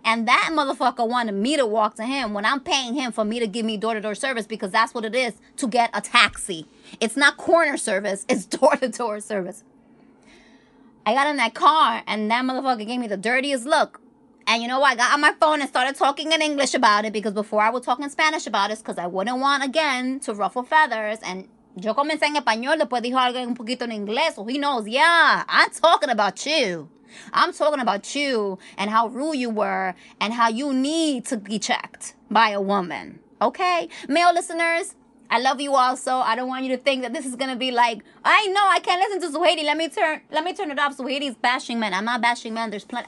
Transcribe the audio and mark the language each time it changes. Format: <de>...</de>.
<en>And that motherfucker wanted me to walk to him when I'm paying him for me to give me door-to-door service, because that's what it is to get a taxi. It's not corner service, it's door-to-door service. I got in that car, and that motherfucker gave me the dirtiest look. And you know what? I got on my phone and started talking in English about it, because before I would talk in Spanish about it, because I wouldn't want, again, to ruffle feathers.</en> <es>And yo comencé en español, después dijo algo un poquito en inglés,</es> <en>so he knows, yeah, I'm talking about you. I'm talking about you and how rude you were and how you need to be checked by a woman, okay? Male listeners, I love you all, so I don't want you to think that this is going to be like, I know, I can't listen to Suhaiti. Let me turn it off. Suhaiti's bashing men. I'm not bashing men. There's plenty.</en>